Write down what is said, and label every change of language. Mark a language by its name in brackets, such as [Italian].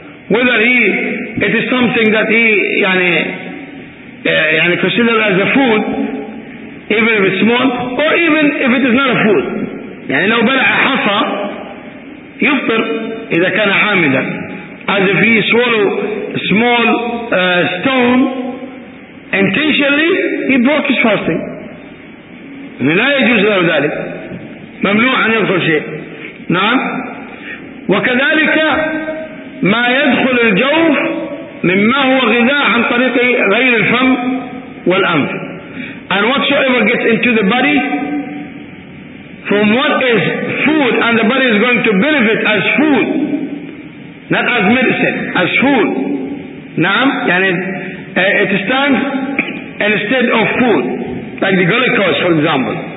[English] Whether he, it is something that he [Arabic] يعني [English] consider as a food, even if it's small, or even if it is not a food. [Arabic] يعني لو بلع حصى يفطر إذا كان عامدا. [English] As if he swallow small stone intentionally, he broke his fasting. [Arabic] لا يجوز له ذلك، ممنوع أن يدخل شيء. نعم. وكذلك ما يدخل الجوف مما هو غذاء عن طريق غير الفم والأنف. [English] And whatsoever gets into the body from what is food, and the body is going to benefit as food, not as medicine, as food. [Arabic] نعم. يعني [English] it stands instead of food, like the glucose for example.